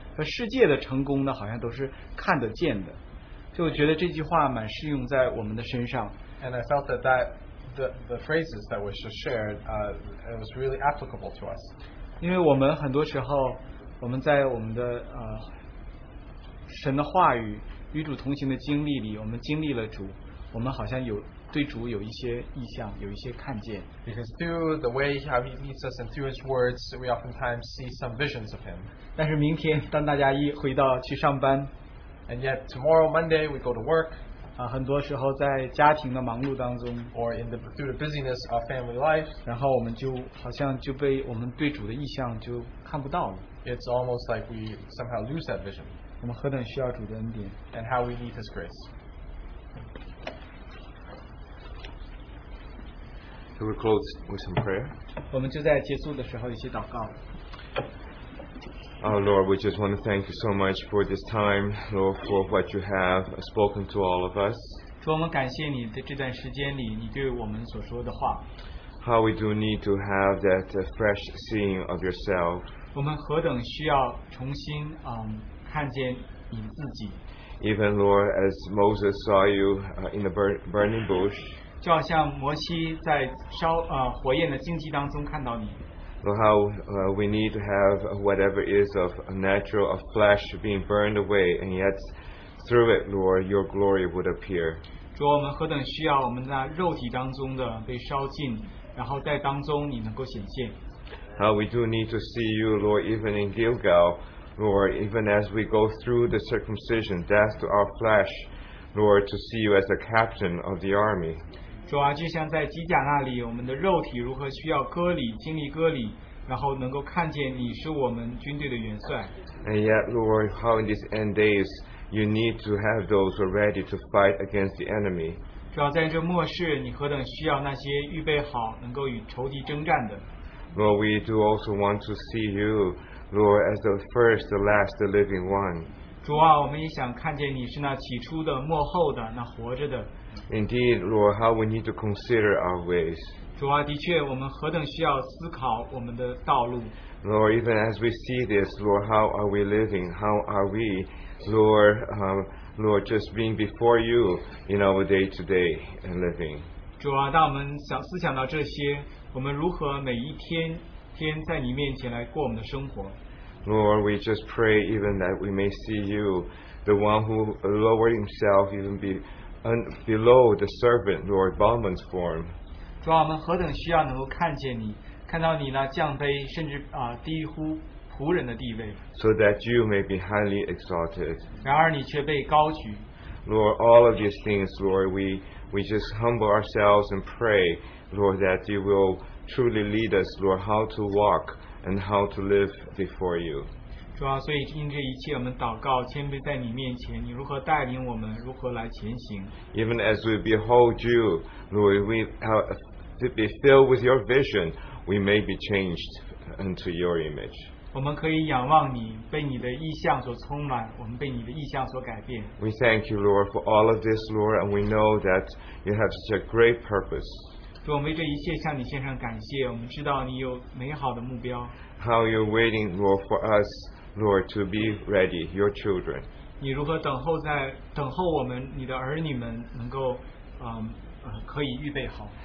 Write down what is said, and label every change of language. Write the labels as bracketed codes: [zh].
[zh] 说世界的成功呢，好像都是看得见的。就我觉得这句话蛮适用在我们的身上。 [en] And I felt that, the phrases that was just shared, it was really applicable to us. [zh] 因为我们很多时候我们在我们的神的话语与主同行的经历里我们经历了主我们好像有对主有一些意象有一些看见 [en] Because through the way how he leads us and through his words we oftentimes see some visions of him [zh] 但是明天当大家一回到去上班 [en] And yet tomorrow Monday we go to work [zh] 很多时候在家庭的忙碌当中 [en] Or in the, through the busyness of family life [zh] 然后我们就好像就被我们对主的意象就看不到了 [en] It's almost like we somehow lose that vision [zh] 我们何等需要主的恩典 [en] And how we need his grace So we close with some prayer. [zh] 我们就在结束的时候一起祷告。 [en] Oh Lord, we just want to thank you so much for this time, Lord, for what you have spoken to all of us. [zh] 主，我们感谢你在这段时间里你对我们所说的话。 [en] How we do need to have that fresh seeing of yourself. [zh] 我们何等需要重新看见你自己。 [en] Even Lord, as Moses saw you in the burning bush. [zh] 就好像摩西在烧火焰的荆棘当中看到你。 [en] Lord, how we need to have whatever is of natural of flesh being burned away, and yet through it, Lord, your glory would appear. [zh] 主，我们何等需要我们在肉体当中的被烧尽，然后在当中你能够显现。 [en] How we do need to see you, Lord, even in Gilgal. Lord, even as we go through the circumcision, death to our flesh, Lord, to see you as the captain of the army. [zh] 主啊，就像在基甲那里，我们的肉体如何需要割礼，经历割礼，然后能够看见你是我们军队的元帅。 [en] And yet, Lord, how in these end days you need to have those who are ready to fight against the enemy. [zh] 主啊，在这末世，你何等需要那些预备好能够与仇敌征战的。 [en] Lord, we do also want to see you. Lord, as the first, the last, the living one. [zh] 主啊，我们也想看见你是那起初的、末后的、那活着的。 [en] Indeed, Lord, how we need to consider our ways. [zh] 主啊，的确，我们何等需要思考我们的道路。 [en] Lord, even as we see this, Lord, how are we living? How are we, Lord, Lord, just being before you in our day to day and living? [zh] 主啊，当我们想思想到这些，我们如何每一天？天在你面前来过我们的生活。 [en] Lord, we just pray even that we may see you, the one who lowered himself even below the servant, Lord, bondman's form. [zh] 主啊，我们何等需要能够看见你，看到你那降卑，甚至低乎仆人的地位。 [en] So that you may be highly exalted. [zh] 然而你却被高举。 [en] Lord, all of these things, Lord, we just humble ourselves and pray, Lord, that you will. Truly lead us, Lord, how to walk and how to live before you. [zh] 主啊，所以因这一切，我们祷告，谦卑在你面前，你如何带领我们，如何来前行。 [en] Even as we behold you, Lord, we to be filled with your vision, we may be changed into your image. [zh] 我们可以仰望你，被你的意象所充满，我们被你的意象所改变。 [en] We thank you, Lord, for all of this, Lord, and we know that you have such a great purpose. [zh] 主，我们为这一切向你献上感谢。我们知道你有美好的目标。 [en] How you're waiting, Lord, for us, Lord, to be ready, your children. [zh] 你如何等候我们，你的儿女们能够，可以预备好。